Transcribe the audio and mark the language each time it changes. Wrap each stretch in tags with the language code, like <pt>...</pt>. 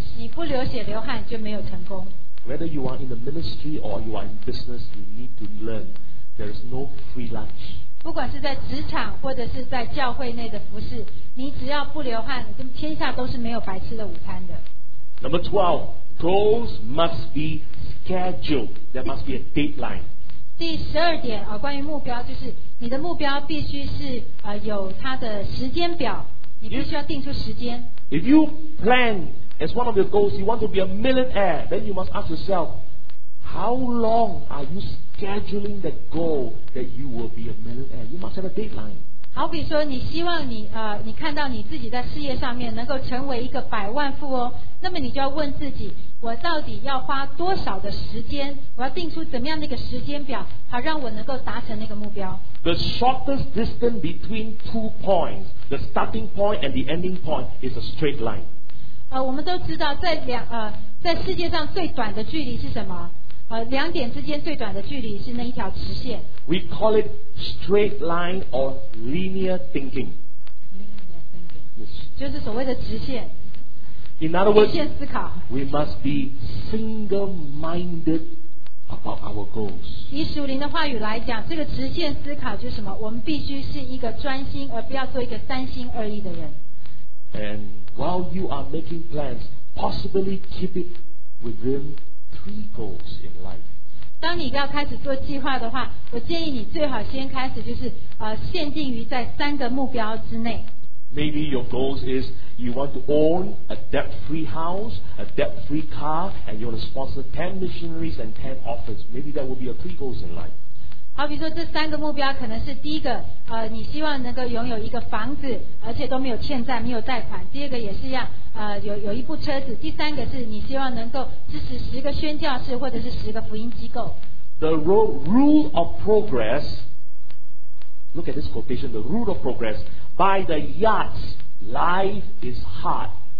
<zh>你不流血流汗就没有成功。</zh> <en>Whether you are in the ministry or you are in business, you need to learn. There is no free lunch.</en> <zh>不管是在职场或者是在教会内的服事，你只要不流汗，天下都是没有白吃的午餐的。</zh> <en>Number 12, goals must be scheduled. There must be a deadline.</en> <zh>第十二点啊，关于目标，就是你的目标必须是有它的时间表。你必须要定出时间。</zh> <en>If you plan as one of your goals, you want to be a millionaire, then you must ask yourself, how long are you scheduling that goal that you will be a millionaire? You must have a deadline.</en> <zh>好比说，你希望你看到你自己在事业上面能够成为一个百万富翁，那么你就要问自己，我到底要花多少的时间？我要定出怎么样的一个时间表，好让我能够达成那个目标。</zh> <en>The shortest distance between two points, the starting point and the ending point, is a straight line.</en> <zh>我们都知道在世界上最短的距离是什么？两点之间最短的距离是那一条直线。</zh> <en>We call it straight line or linear thinking.</en> <zh>Linear thinking. 就是所谓的直线。</zh> <en>In other words, we must be single-minded about our goals.</en> <zh>以属灵的话语来讲，这个直线思考就是什么？我们必须是一个专心，而不要做一个三心二意的人。</zh> <en>And while you are making plans, possibly keep it within three goals in life.</en> <zh>当你要开始做计划的话，我建议你最好先开始就是限定于在三个目标之内。</zh> <en>Maybe your goals is you want to own a debt-free house, a debt-free car, and you want to sponsor 10 missionaries and 10 orphans. Maybe that will be your three goals in life.</en> <zh>好比说这三个目标可能是第一个你希望能够拥有一个房子，而且都没有欠债，没有贷款。第二个也是一样有一部车子。第三个是你希望能够支持十个宣教士或者是十个福音机构。</zh> <en>The rule of progress, look at this quotation, the rule of progress,By the yards, life is hard.</en>